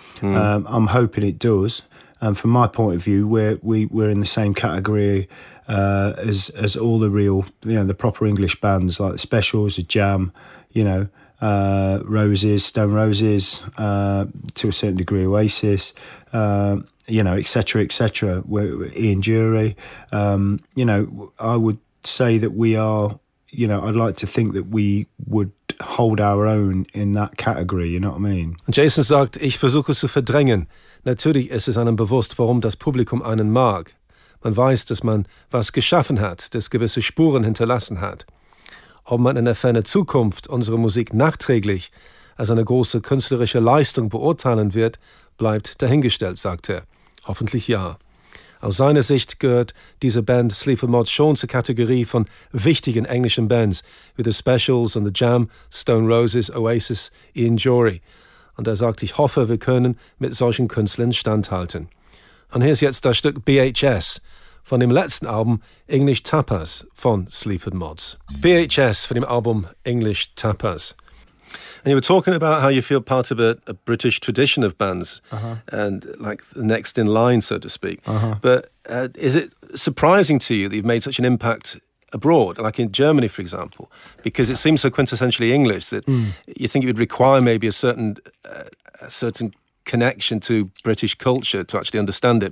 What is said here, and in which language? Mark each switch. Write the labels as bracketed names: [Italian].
[English] I'm hoping it does. And from my point of view, we're in the same category as all the real, you know, the proper English bands, like the Specials, the Jam, you know, Roses, Stone Roses, to a certain degree Oasis, you know, et cetera, et cetera. Ian Dury, you know, I would say that we are, you know, I'd like to think that we would hold our own in that category, you know what I mean? [German] Jason sagt, ich versuche zu verdrängen. Natürlich ist es einem bewusst, warum das Publikum einen mag. Man weiß, dass man was geschaffen hat, das gewisse Spuren hinterlassen hat. Ob man in der fernen Zukunft unsere Musik nachträglich als eine große künstlerische Leistung beurteilen wird, bleibt dahingestellt, sagt er. Hoffentlich ja. Aus seiner Sicht gehört diese Band Sleaford Mods schon zur Kategorie von wichtigen englischen Bands, wie The Specials und The Jam, Stone Roses, Oasis, Ian Dury. Und er sagt, ich hoffe, wir können mit solchen Künstlern standhalten. Und hier ist jetzt das Stück BHS von dem letzten Album English Tapas von Sleaford Mods. BHS von dem Album English Tapas. [English] And you were talking about how you feel part of a British tradition of bands, and like the next in line, so to speak. But is it surprising to you that you've made such an impact abroad, like in Germany, for example? Because it seems so quintessentially English that you think it would require maybe a certain connection to British culture to actually understand it.